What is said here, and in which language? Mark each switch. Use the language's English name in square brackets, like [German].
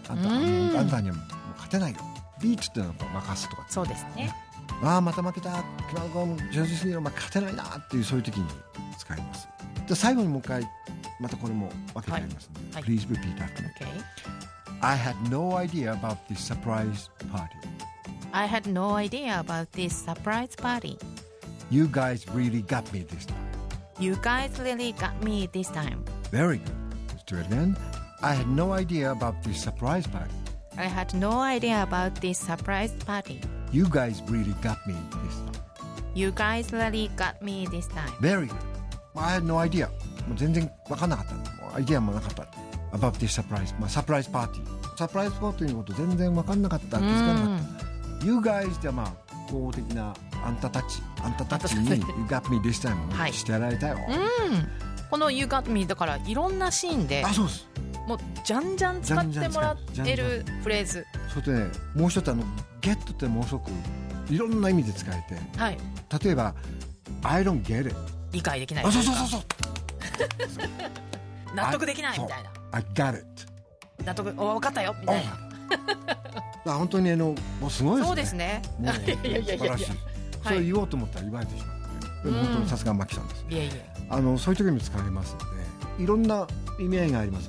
[Japanese] あなたには勝てないよ。Beat ってのは任すとか。そうですね。まあまた負けた。クラウドゴム上手すぎる。まあ勝てないなっていう、そういう時に使います。じゃ最後にもう一回。またこれも分けてやりますね、はい、 [English] Please repeat after me、 okay. I had no idea about this surprise party. I had no idea about this surprise party. You guys really got me this time. You guys really got me this time. Very good. Let's do it again. I had no idea about this surprise party. I had no idea about this surprise party. You guys really got me this time. You guys really got me this time. Very good. I had no idea. [Japanese] もう全然分かんなかった、もうアイデアもなかった [English] About this surprise、 [Japanese] まあ、サプライズパーティー、サプライズパーティーのこと全然分かんなかった、気づかなかった。 [English] You guys [Japanese] ってまあ合法的なあんたたち、あんたたちに [English] You got me this time、 [Japanese] はい、してやられたよ。この [English] You got me [Japanese] だからいろんなシーンで、あ、そうです、もうじゃんじゃん使ってもらってるフレーズ。それでね、もう一つ Get ってもうすごくいろんな意味で使えて、はい、例えば [English] I don't get it、 [Japanese] 理解できない、あ、そうそうそうそう納得できないみたいな。 [English] I got it、 [Japanese] 納得、お、分かったよみたいな。本当にもうすごいですね。そうですね、もう素晴らしい、はい、それ言おうと思ったら言われてしまって、本当にさすがマキさんです、ね、いやいや、そういう時も使われますので、いろんな意味合いがあります。